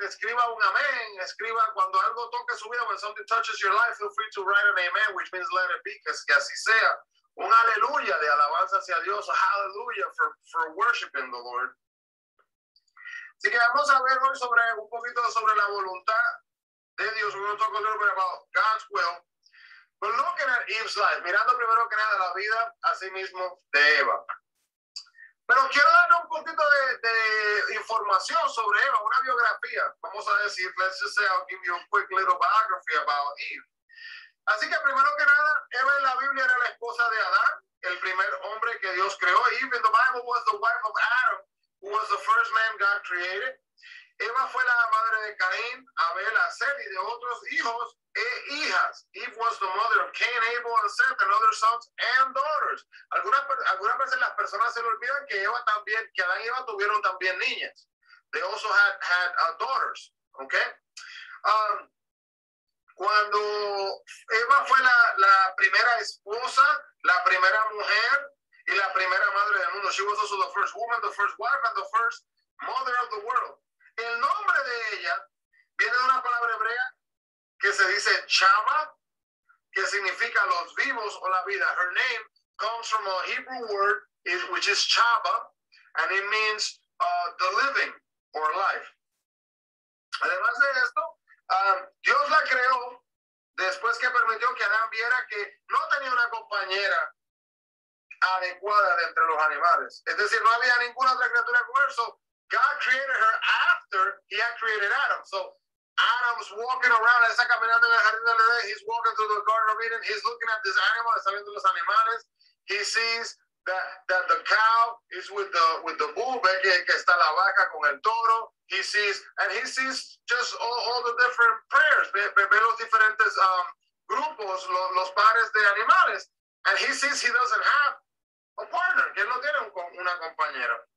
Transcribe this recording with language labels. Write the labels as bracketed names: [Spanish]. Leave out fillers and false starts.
[Spanish] Escriba un amén. Escriba cuando algo toque su vida. [English] When something touches your life, feel free to write an amen, which means let it be, [Spanish] que así sea. un aleluya de alabanza hacia Dios, [English] a hallelujah for worshiping the Lord. [Spanish] Así que vamos a ver hoy sobre un poquito sobre la voluntad de Dios. [English] We're going to talk a little bit about God's will. But looking at Eve's life, [Spanish] mirando primero que nada la vida a sí mismo de Eva. Pero quiero darle un poquito de información sobre Eva, una biografía. Vamos a decir, [English] let's just say, I'll give you a quick little biography about Eve. [Spanish] Así que primero que nada, Eva en la Biblia era la esposa de Adán, el primer hombre que Dios creó. [English] Eve in the Bible was the wife of Adam, who was the first man God created. [Spanish] Eva fue la madre de Caín, Abel, Acel y de otros hijos e hijas. [English] Eve was the mother of Cain, Abel, and Seth, and other sons and daughters. [Spanish] Algunas veces las personas se le olvidan que Eva también, que Adán y Eva tuvieron también niñas. [English] They also had daughters, ¿ok? [Spanish] Cuando Eva fue la primera esposa, la primera mujer y la primera madre del mundo. [English] She was also the first woman, the first wife, and the first mother of the world. [Spanish] El nombre de ella viene de una palabra hebrea que se dice Chava, que significa los vivos o la vida. [English] Her name comes from a Hebrew word which is Chava, and it means the living or life. [Spanish] Además de esto, Dios la creó después que permitió que Adán viera que no tenía una compañera adecuada de entre los animales. Es decir, no había ninguna otra criatura con eso. [English] God created her after he had created Adam. So Adam's walking around, [Spanish] está caminando en el jardín del Edén, [English] he's walking through the Garden of Eden, he's looking at this animal, [Spanish] está viendo los animales, [English] he sees that the cow is with the bull, [Spanish] ve que está la vaca con el toro, [English] he sees just all the different prayers, [Spanish] ve los diferentes grupos, los pares de animales, [English] and he sees he doesn't have a partner, [Spanish] que no tiene una compañera.